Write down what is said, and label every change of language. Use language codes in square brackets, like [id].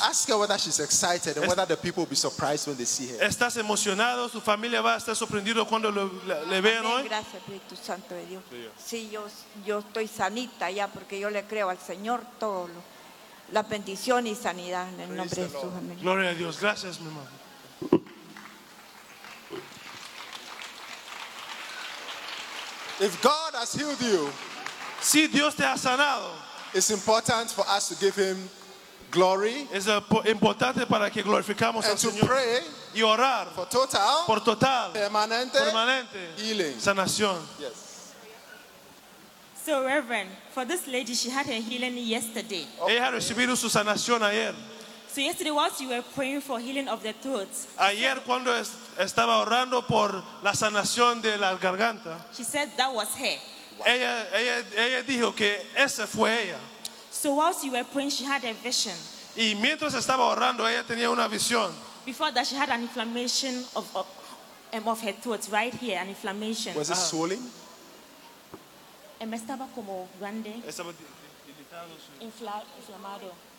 [en] Ask her whether she's excited and whether the people will be surprised when they see her. [es] ¿Estás emocionado? ¿Su familia va a estar sorprendido cuando le vean hoy? Gracias, Espíritu Santo de Dios. Sí, yo estoy sanita ya porque yo le creo al Señor todo lo, la bendición y sanidad en el nombre de Jesús. Amén. Gloria a Dios. Gracias, mi hermano. [en] If God has healed you, [es] si Dios te ha sanado, [en] it's important for us to give Him glory. [es] Es importante para que glorificamos al Señor. [en] And to pray [es] y orar [en] for total, [es] por total, permanente [en] healing, [es] sanación. [en] Yes. So Reverend, for this lady, she had her healing yesterday. [es] Ella recibió su sanación ayer. [en] So yesterday, whilst you were praying for healing of the throat, [es] ayer cuando estaba orando por la sanación de la garganta, [en] she said that was her. [es] Ella dijo que esa fue ella. [en] So whilst you were praying, she had a vision. [es] Y mientras estaba orando, ella tenía una visión. [en] Before that, she had an inflammation of her throat right here, an inflammation. Was it swollen? [es] Me estaba como grande. Estaba inflamado.